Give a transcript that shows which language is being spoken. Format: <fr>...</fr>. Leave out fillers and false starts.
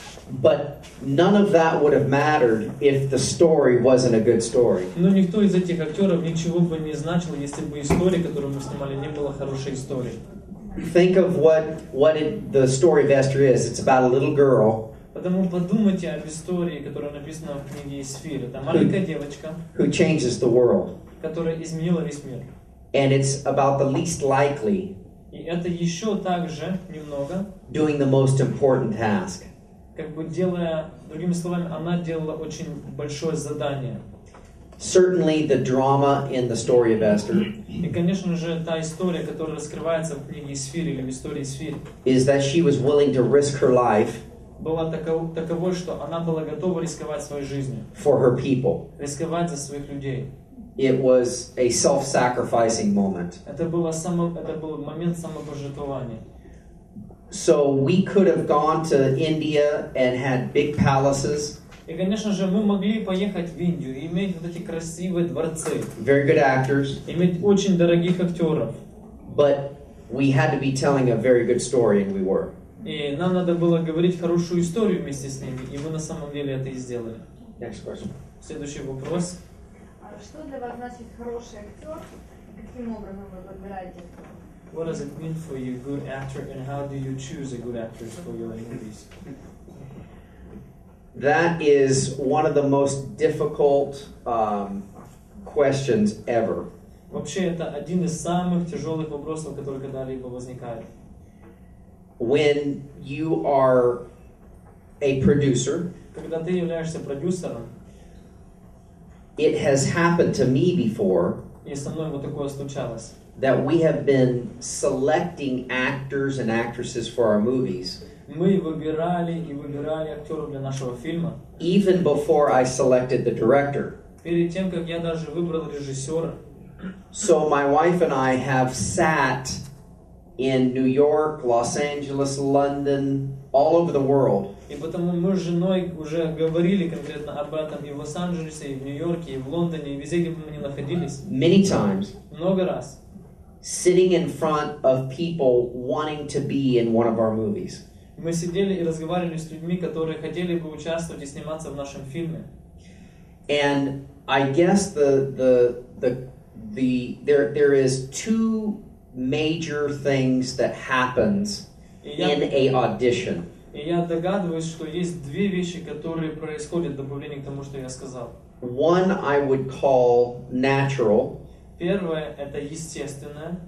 <en>But none of that would have mattered if the story wasn't a good story.</en> <ru>Но никто из этих актеров ничего бы не значил, если бы история, которую мы снимали, не была хорошей историей.</ru> <en>Think of what the story of Esther is. It's about a little girl.</en> <ru>Потому подумайте об истории, которая написана в книге Эсфир. Это маленькая девочка.</ru> <en>Who changes the world?</en> <ru>Которая изменила весь мир.</ru> <en>And it's about the least likely.</en> <ru>И это еще также немного.</ru> <en>Doing the most important task.</en> <ru>Как бы делая, другими словами, она делала очень большое задание.</ru> <en>Certainly the drama in the story of Esther.</en> <ru>И конечно же та история, которая раскрывается в книге Эсфир или в истории Эсфир.</ru> <en>Is that she was willing to risk her life.</en> <ru>Была таковой, что она была готова рисковать своей жизнью.</ru> <en>For her people.</en> <ru>Рисковать за своих людей.</ru> <en>It was a self-sacrificing moment.</en> <ru>Это был момент самопожертвования.</ru> <en>So we could have gone to India and had big palaces.</en> <ru>И, конечно же, мы могли поехать в Индию и иметь вот эти красивые дворцы.</ru> <en>Very good actors.</en> <ru>Иметь очень дорогих актеров.</ru> <en>But we had to be telling a very good story, and we were.</en> <ru>И нам надо было говорить хорошую историю вместе с ними, и мы на самом деле это и сделали.</ru> <en>Next question.</en> <ru>Следующий вопрос. Что для вас значит хороший актер? Каким образом вы подбираете актера?</ru> <en>What does it mean for you, good actor, and how do you choose a good actor for your movies? That is one of the most difficult questions ever.</en> <ru>Вообще это один из самых тяжелых вопросов, которые когда-либо возникают.</ru> <en>When you are a producer,</en> <ru>когда ты являешься продюсером,</ru> <en>it has happened to me before.</en> <ru>И со мной вот такое случалось.</ru> <en>That we have been selecting actors and actresses for our movies.</en> <ru>Мы выбирали и выбирали актеров для нашего фильма.</ru> <en>Even before I selected the director.</en> <ru>Перед тем, как я даже выбрал режиссера.</ru> <en>So my wife and I have sat in New York, Los Angeles, London, all over the world.</en> <ru>И потому мы с женой уже говорили конкретно об этом и в Лос-Анджелесе, и в Нью-Йорке, и в Лондоне, и везде, где бы мы ни находились.</ru> <en>Many times.</en> <ru>Много раз.</ru> <en>Sitting in front of people wanting to be in one of our movies.</en> <ru>Мы сидели и разговаривали с людьми, которые хотели бы участвовать и сниматься в нашем фильме.</ru> <en>And I guess there is two major things that happens in a audition.</en> <ru>И я догадываюсь, что есть две вещи, которые происходят в дополнение к тому, что я сказал.</ru> <en>One I would call natural.</en> <ru>Первое — это естественное.</ru>